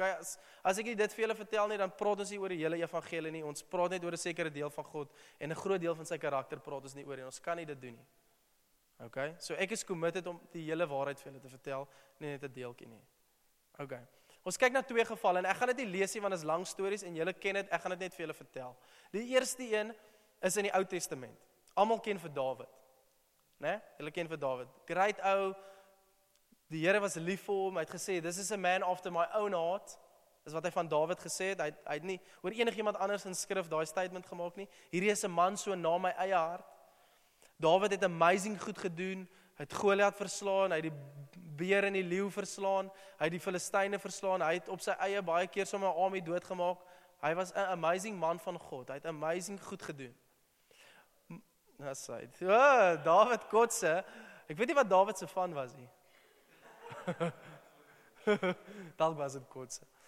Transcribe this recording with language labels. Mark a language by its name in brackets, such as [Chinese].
[Afrikaans] As ek nie dit vir julle vertel nie, dan praat ons nie oor die hele evangelie nie. Ons praat net oor 'n sekere deel van God en 'n groot deel van sy karakter praat ons nie oor nie. Ons kan nie dit doen nie. OK, so ek is committed om die hele waarheid vir julle te vertel, nie net 'n deeltjie nie. OK. Ons kyk na twee gevalle en ek gaan dit nie lees nie want dit is lang stories en julle ken dit, ek gaan dit net vir julle vertel. Die eerste een is in die Ou Testament. Almal ken vir Dawid. Né? Julle ken vir Dawid. Great ou. Die Here was lief vir hom. Hy het gesê, [English] "This is a man after my own heart." [Afrikaans] Is wat hy van Dawid gesê het. Hy het nie oor enigiemand anders in skrif daai statement gemaak nie. Hierdie is 'n man so na my eie hart. Dawid het amazing goed gedoen. Hy het Goliath verslaan, hy het die beer en die leeu verslaan, hy het die Filistyne verslaan, hy het op sy eie baie keer sommer Ammon doodgemaak. Hy was 'n amazing man van God. Hy het amazing goed gedoen. Dawid kotse. Ek weet nie wat Dawid se fan was nie. Dat was het kotse.